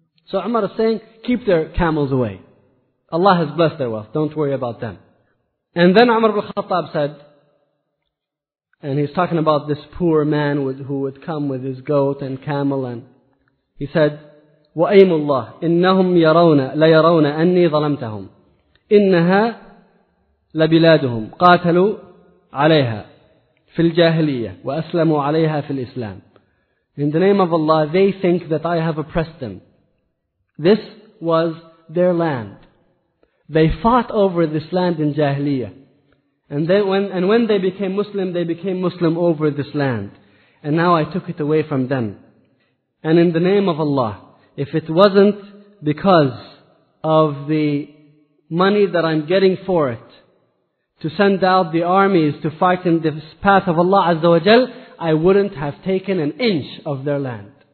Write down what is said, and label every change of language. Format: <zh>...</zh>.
<en>So Umar is saying, keep their camels away. Allah has blessed their wealth. Don't worry about them. And then Umar ibn Khattab said, and he's talking about this poor man who would come with his goat and camel, and he said,</en> <ar>وأيم الله إنهم يرون ليرون أني ظلمتهم إنها لبلادهم قاتلوا عليها في الجاهلية وأسلموا عليها في الإسلام.</ar> <en>In the name of Allah, they think that I have oppressed them. This was their land. They fought over this land in Jahiliyyah. And then when they became Muslim over this land. And now I took it away from them. And in the name of Allah, if it wasn't because of the money that I'm getting for it, to send out the armies to fight in this path of Allah Azza wa Jal, I wouldn't have taken an inch of their land.</en>